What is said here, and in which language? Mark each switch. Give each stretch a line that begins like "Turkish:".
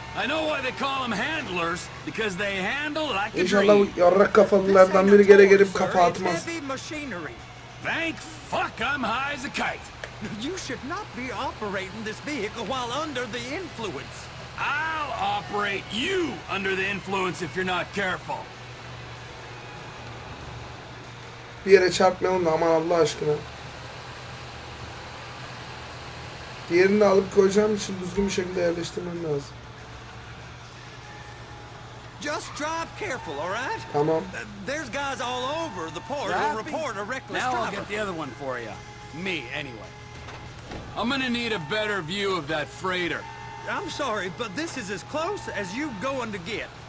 English: I know why they call them handlers, because they handle like a dream.
Turkish: İnşallah yarrak kafalılardan biri gere gelip kafa atmaz.
English: Heavy machinery. Thank fuck I'm high as a kite. You should not be operating this vehicle while under the influence. I'll operate you under the influence if you're not careful.
Turkish: Bir yere çarpma onu, aman Allah aşkına. Diğerini alıp koyacağım için düzgün bir şekilde yerleştirmem lazım.
English: Just drive careful, all right?
Turkish: Tamam.
English: There's guys all over the port who report a reckless now driver. Now I'll get the other one for you. Me, anyway. I'm gonna need a better view of that freighter. I'm sorry, but this is as close as you going to get.